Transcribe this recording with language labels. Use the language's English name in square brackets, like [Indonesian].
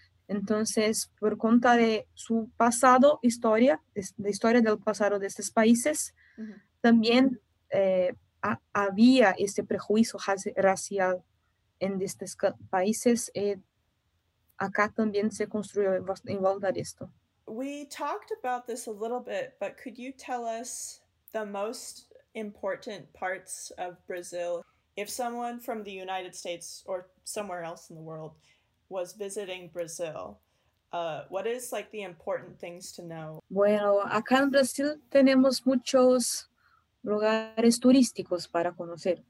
[Spanish] Entonces, por cuenta de su pasado, historia, de historia del pasado de estos países, uh-huh. también había este prejuicio racial en estos países. Acá también se construyó igualdad esto. [English] We talked about this a little bit, but could you tell us the most important parts of Brazil? If someone from the United States or somewhere else in the world was visiting Brazil, what is like the important things to know? [Spanish] Bueno, acá en Brasil tenemos muchos lugares turísticos para conocer.